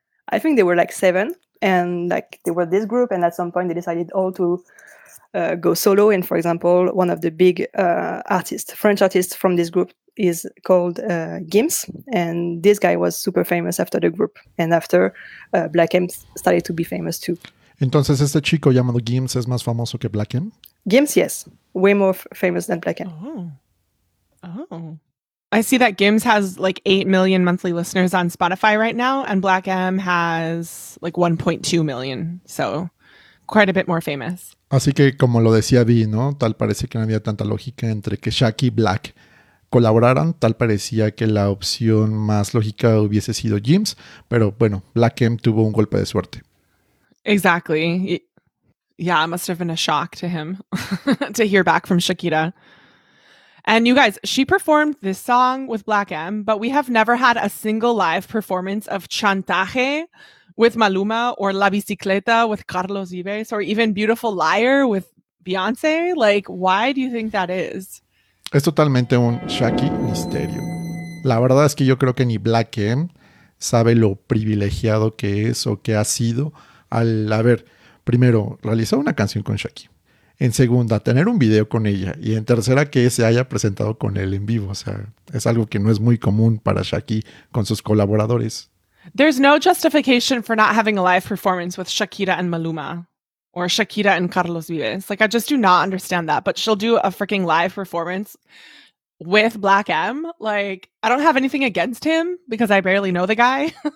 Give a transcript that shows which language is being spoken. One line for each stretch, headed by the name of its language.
English: I think they were like 7, and like they were this group, and at some point they decided all to go solo. And for example, one of the big artists, French artists from this group, is called Gims, and this guy was super famous after the group, and after Black M started to be famous too.
Spanish: Entonces, este chico llamado Gims es más famoso que Black M?
English: Gims, yes, way more famous than Black M. Oh. I see that Gims has like 8 million monthly listeners on Spotify right now, and Black M has like 1.2 million, so quite a bit more famous.
Spanish: Así que como lo decía Vi, ¿no? Tal parece que no había tanta lógica entre que Shaq y Black colaboraran, tal parecía que la opción más lógica hubiese sido Gims, pero bueno, Black M tuvo un golpe de suerte.
English: Exactly. Yeah, it must have been a shock to him to hear back from Shakira. And you guys, she performed this song with Black M, but we have never had a single live performance of Chantaje with Maluma or La Bicicleta with Carlos Vives or even Beautiful Liar with Beyoncé. Like, why do you think that is?
Spanish: Es totalmente un Shaki misterio. La verdad es que yo creo que ni Black M sabe lo privilegiado que es o que ha sido al haber, primero, realizado una canción con Shaki. En segunda, tener un video con ella. Y en tercera, que se haya presentado con él en vivo. O sea, es algo que no es muy común para Shaki con sus colaboradores.
English: There's no justification for not having a live performance with Shakira and Maluma. Or Shakira and Carlos Vives. Like, I just do not understand that. But she'll do a freaking live performance with Black M. Like, I don't have anything against him because I barely know the guy.